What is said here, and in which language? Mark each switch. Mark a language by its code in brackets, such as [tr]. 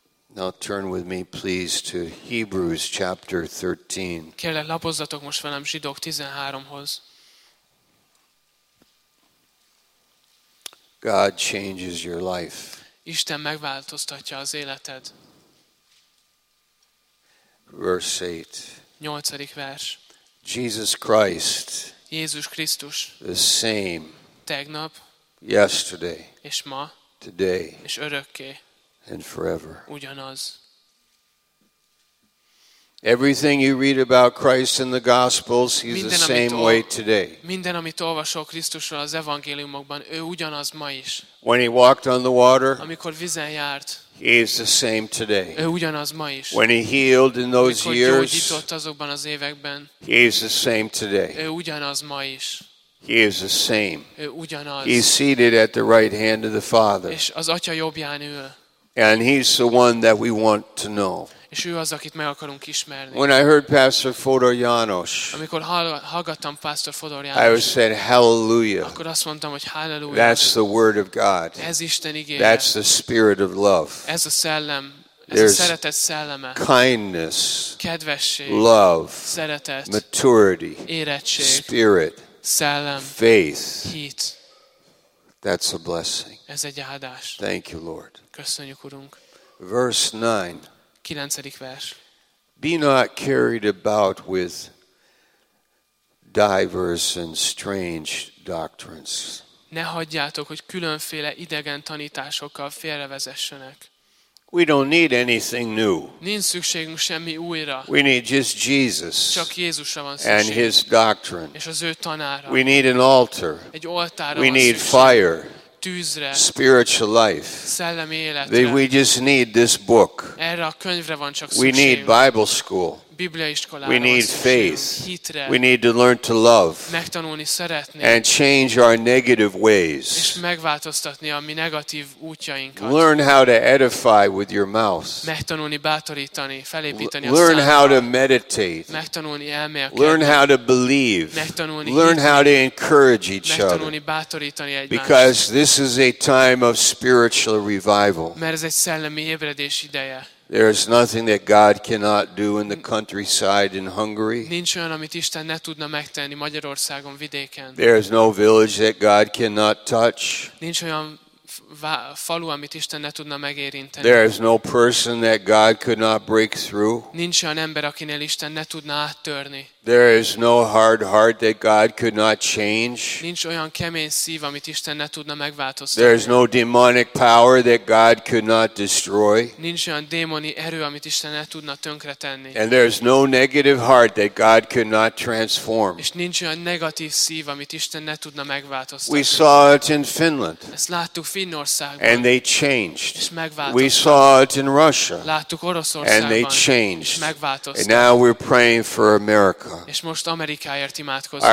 [en] Now turn with me please to Hebrews chapter 13. [hu] Kérlek, lapozzatok most velem Zsidók 13-hoz. [en] God changes your life. [hu] Isten megváltoztatja az életed. [en] Verse 8. [hu] 8. vers. [en] Jesus Christ. [hu] Jézus Krisztus. [en] The same. [hu] Tegnap. [en] Yesterday. [hu] És ma. [en] Today [hu] és örökké, [en] and forever. [hu] Ugyanaz. [en] Everything you read about Christ in the Gospels, he's the same way today. [hu] Minden, amit olvasol Krisztusról az evangéliumokban, ő ugyanaz ma is. [en] When he walked on the water, [hu] amikor vízen járt, [en] he is the same today. [hu] Ő ugyanaz ma is. [en] When he healed in those years, [hu] amikor gyógyított azokban az években, [en] he is the same today. [hu] Ő ugyanaz ma is. [en] He is the same. [hu] Ugyanaz. [en] He's seated at the right hand of the Father. [hu] És az Atya jobbján ül. [en] And he's the one that we want to know. [hu] És ő az, akit meg akarunk ismerni. [en] When I heard Pastor Fodor János, [hu] amikor hallgattam Pastor Fodor János, [en] I would say hallelujah. [hu] Akkor azt mondtam, hogy hallelujah. [en] That's the word of God. [hu] Ez Isten igéje. [en] That's the spirit of love. [hu] Ez a szellem. [en] There's [hu] szeretet szelleme, [en] kindness, [hu] kedvesség, [en] love, [hu] szeretet, [en] maturity, [hu] érettség, [en] spirit, [hu] szellem, [en] faith, [hu] hit. [en] That's a blessing. [hu] Ez egy áldás. [en] Thank you, Lord. [hu] Köszönjük, Urunk. [en] Verse 9. [hu] 9. vers. [en] Be not carried about with diverse and strange doctrines. [hu] Ne hagyjátok, hogy különféle idegen tanításokkal félrevezessenek. [en] We don't need anything new. [hu] Nincs szükségünk semmi újra. [en] We need just Jesus. [hu] Csak Jézusra van szükség. [en] And his doctrine. [hu] És az ő tanára. [en] We need an altar. [hu] Egy oltára. [en] We need fire. [hu] Tűzre. [en] Spiritual life. [hu] Szellemi életre. [en] We just need this book. [hu] Erre a könyvre van csak szükség. [en] We need Bible school. [hu] Bibliaiskolára. [en] We need faith. [hu] Hitre. [en] We need to learn to love. [hu] Megtanulni szeretni. [en] And change our negative ways. [hu] És megváltoztatni a mi negatív útjainkat. [en] Learn how to edify with your mouth. [hu] Megtanulni bátorítani, felépíteni a szívet. [en] Learn how to meditate. [hu] Megtanulni elmélkedni. [en] Learn how to believe. [hu] Megtanulni hitni. [en] Learn how to encourage each other. [hu] Megtanulni bátorítani egymást. [en] Because this is a time of spiritual revival. [hu] Mert ez egy szellemi ébredés ideje. [en] There is nothing that God cannot do in the countryside in Hungary. [hu] Nincs olyan, amit Isten ne tudna megtenni Magyarországon vidéken. [en] There is no village that God cannot touch. [hu] Nincs olyan falu, amit Isten ne tudna megérinteni. [en] There is no person that God could not break through. [hu] Nincs olyan ember, akinél Isten ne tudna áttörni. [en] There is no hard heart that God could not change. [hu] Nincs olyan kemény szív, amit Isten ne tudna megváltoztatni. [en] There is no demonic power that God could not destroy. [hu] Nincs olyan démoni erő, amit Isten ne tudna tönkretenni. [en] And there is no negative heart that God could not transform. [hu] És nincs olyan negatív szív, amit Isten ne tudna megváltoztatni. [en] We saw it in Finland. [hu] Ezt láttuk Finnországban. [en] And they changed. [hu] És megváltoztak. [en] We saw it in Russia. [hu] Láttuk Oroszországban. [en] And they changed. [hu] És megváltoztak. [en] And now we're praying for America. [hu] És most Amerikáért imádkozunk.